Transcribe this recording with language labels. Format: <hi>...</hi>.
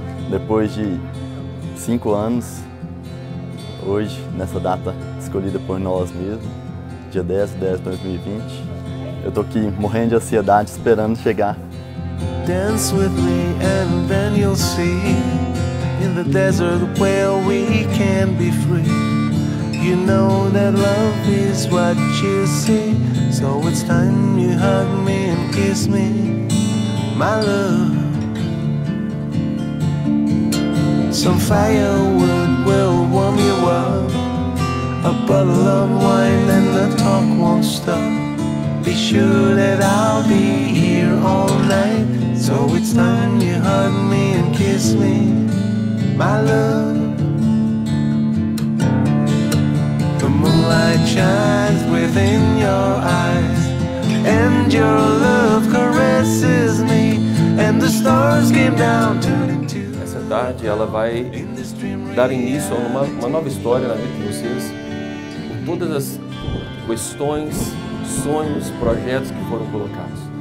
<pt>Depois de 5 anos, hoje, nessa data escolhida por nós mesmos, dia 10/10/2020, eu tô aqui morrendo de ansiedade esperando chegar.</pt> <en>Dance with me and then you'll see in the desert where we can be free. You know that love is what you see. So it's time you hug me and kiss me, my love. Some firewood will warm you up. A bottle of wine and the talk won't stop. Be sure that I'll be here all night. So it's time you hug me and kiss me, my love. The moonlight shines within your eyes, and your love caresses me, and the stars came down to</en> <pt>tarde, ela vai dar início a uma nova história na vida de vocês, com todas as questões, sonhos, projetos que foram colocados.</pt>